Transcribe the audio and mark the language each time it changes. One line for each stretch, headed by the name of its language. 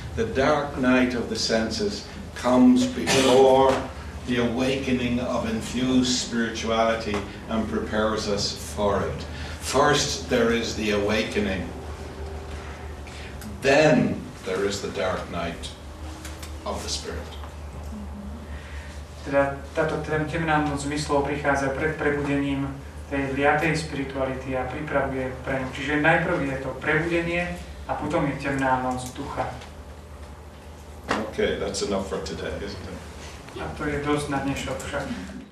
English: The dark night of the senses comes before the awakening of infused spirituality and prepares us for it. First there is the awakening, then there is the dark night of the spirit. Mm-hmm.
Slovak: teda táto temná noc zmyslov prichádza pred prebudením tej liatej spirituality a pripravuje pre ňu. Čiže najprv je to prebudenie a potom je temná noc ducha.
English: Okay, that's enough for today, isn't it?
Slovak: A to je dosť na dnešok však.